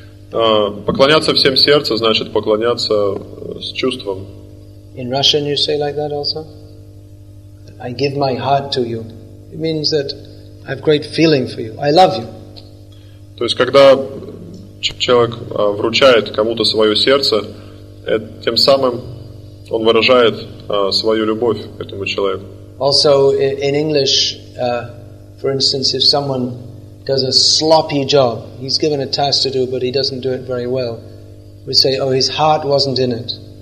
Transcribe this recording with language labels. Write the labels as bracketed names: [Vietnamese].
[Russian] Поклоняться всем сердцем значит поклоняться с чувством. [English] In Russian you say like that also? I give my heart to you. It means that I have great feeling for you. I love you. [Russian] То есть, когда человек вручает кому-то свое сердце, тем самым он выражает свою любовь к этому человеку. [English] Also, in English, for instance, if someone does a sloppy job, he's given a task to do, but he doesn't do it very well, we say, oh, his heart wasn't in it.